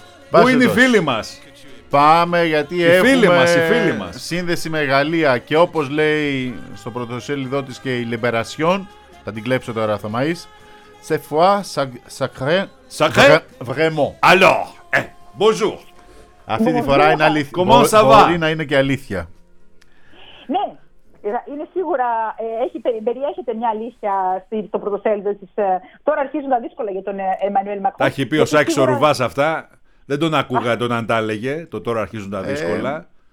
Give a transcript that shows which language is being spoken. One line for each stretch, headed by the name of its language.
Greek: Πού είναι εδώ. Οι φίλοι μας. Πάμε γιατί οι έχουμε μας, οι φίλοι μας. Σύνδεση με Γαλλία και όπως λέει στο πρωτοσέλιδό της και η Λιμπερασιόν, θα την κλέψω τώρα Θωμαΐς.
French: Cette fois, sacré, vraiment. Alors, bonjour.
Greek: Αυτή τη φορά είναι αλήθεια.
French: Comment ça va?
Greek: Μπορεί να είναι και αλήθεια. Ναι, είναι σίγουρα, περιέχεται μια αλήθεια στο πρωτοσέλιδο της. Τώρα αρχίζουν τα δύσκολα για τον Εμμανουέλ Μακρόν. Τα έχει πει ο Σάκης ο Ρουβάς αυτά. Δεν τον ακούγα τον αν τα έλεγε, το τώρα αρχίζουν τα δύσκολα.